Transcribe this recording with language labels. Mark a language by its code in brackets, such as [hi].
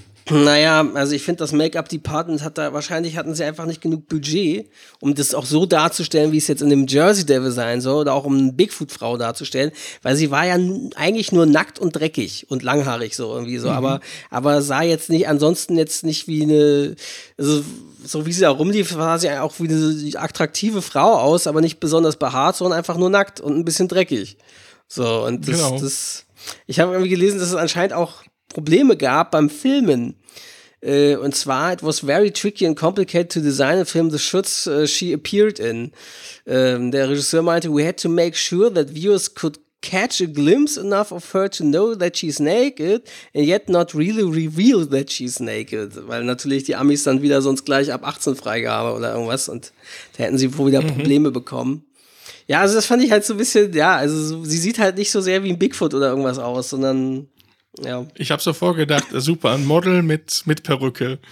[de] Naja, also ich finde, das Make-up-Department hat da, wahrscheinlich hatten sie einfach nicht genug Budget, um das auch so darzustellen, wie es jetzt in dem Jersey Devil sein soll, oder auch um eine Bigfoot-Frau darzustellen, weil sie war ja eigentlich nur nackt und dreckig und langhaarig so irgendwie so, aber sah jetzt nicht, ansonsten jetzt nicht wie eine, also so wie sie da rumlief, sah sie auch wie eine attraktive Frau aus, aber nicht besonders behaart, sondern einfach nur nackt und ein bisschen dreckig. So, und das ich habe irgendwie gelesen, dass es anscheinend auch Probleme gab beim Filmen. Und zwar, [en] it was very tricky and complicated to design a film the shots she appeared in. [de] Der Regisseur meinte, [en] we had to make sure that viewers could catch a glimpse enough of her to know that she's naked and yet not really reveal that she's naked. [de] Weil natürlich die Amis dann wieder sonst gleich ab 18 Freigabe oder irgendwas und da hätten sie wohl wieder Probleme bekommen. Ja, also das fand ich halt so ein bisschen, ja, also sie sieht halt nicht so sehr wie ein Bigfoot oder irgendwas aus, sondern ja. Ich habe so vorgedacht, super, ein Model mit Perücke.